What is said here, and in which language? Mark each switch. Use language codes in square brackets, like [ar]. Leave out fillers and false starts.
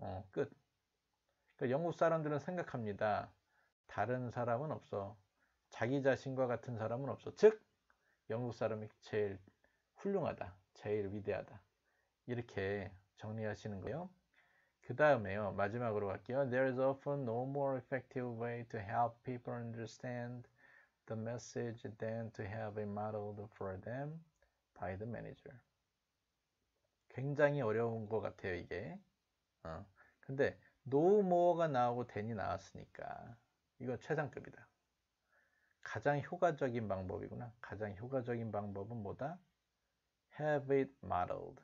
[ko] 끝. 그러니까 영국 사람들은 생각합니다. 다른 사람은 없어. 자기 자신과 같은 사람은 없어. 즉 영국 사람이 제일 훌륭하다. 제일 위대하다. 이렇게 정리하시는 거예요. 그 다음에요. 마지막으로 갈게요. [en] There is often no more effective way to help people understand the message than to have it modeled for them by the manager. [ko] 굉장히 어려운 것 같아요. 이게. 근데 no more가 나오고 than이 나왔으니까 이거 최상급이다. 가장 효과적인 방법이구나. 가장 효과적인 방법은 뭐다? [en] Have it modeled.